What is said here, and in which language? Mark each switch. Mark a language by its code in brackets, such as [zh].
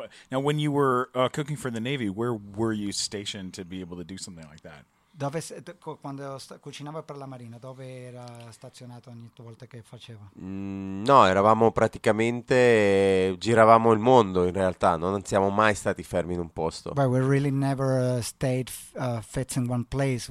[en] Now, when you were cooking for the Navy, where were you stationed to be able to do something like that? [it] Dove quando cucinava per la Marina, dove era stazionato ogni volta che faceva? No, eravamo praticamente giravamo il mondo in realtà, no? Non siamo mai stati fermi in un posto. [en] But we really never stayed fixed in one place.